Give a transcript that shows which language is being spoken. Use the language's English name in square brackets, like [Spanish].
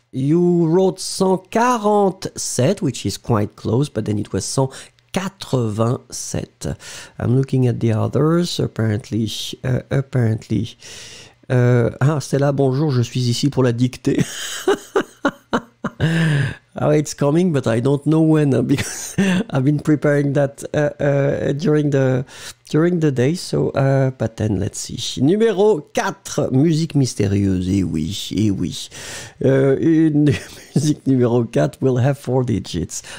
[English] You wrote 147, which is quite close, but then it was 187. I'm looking at the others. Apparently. [French] Stella, bonjour, je suis ici pour la dictée. [English] Oh, it's coming, but I don't know when, because I've been preparing that during the day, so, but then, let's see. [French] Numéro 4, musique mystérieuse, et oui. Une musique numéro 4 [English] will have 4 digits.